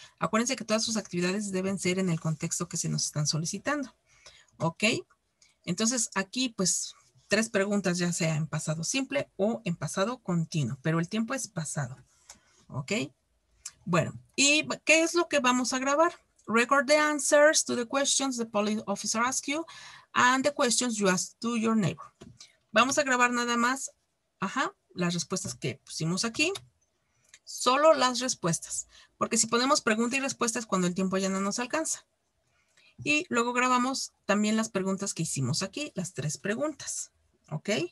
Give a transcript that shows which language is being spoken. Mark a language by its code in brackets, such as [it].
[es] Acuérdense que todas sus actividades deben ser en el contexto que se nos están solicitando. ¿Ok? Entonces, aquí pues tres preguntas, ya sea en pasado simple o en pasado continuo, pero el tiempo es pasado. ¿Ok? Bueno, ¿y qué es lo que vamos a grabar? [en] Record the answers to the questions the police officer asks you and the questions you ask to your neighbor. [es] Vamos a grabar nada más, las respuestas que pusimos aquí. Solo las respuestas, porque si ponemos pregunta y respuesta es cuando el tiempo ya no nos alcanza. Y luego grabamos también las preguntas que hicimos aquí, las tres preguntas. ¿Ok?